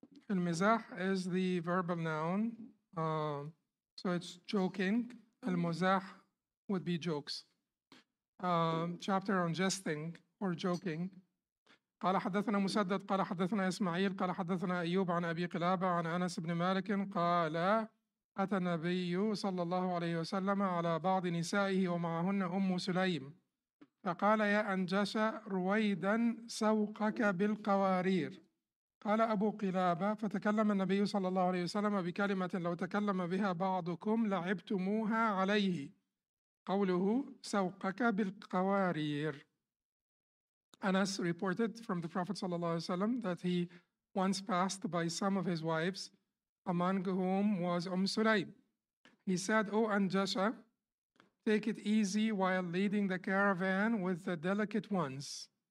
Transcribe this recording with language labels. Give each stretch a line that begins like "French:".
English: Al-Mizah is the verbal noun, so it's joking. Al-Muzah would be jokes. Chapter on jesting or joking.
Arabic: قال حدثنا مسدد قال حدثنا إسماعيل قال حدثنا أيوب عن أبي قلابة عن أنس بن مالك قال أتى النبي صلى الله عليه وسلم على بعض نسائه ومعهن أم سليم فقال يا أنجش رويدا سوقك بالقوارير قال أبو قلابة فتكلم النبي صلى الله عليه وسلم بكلمة لو تكلم بها بعضكم لعبتموها عليه قوله سوقك بالقوارير.
English: Anas reported from the Prophet
Arabic: ﷺ
English: that he once passed by some of his wives, among whom was Sulaym. He said, O Anjasha, take it easy while leading the caravan with the delicate ones.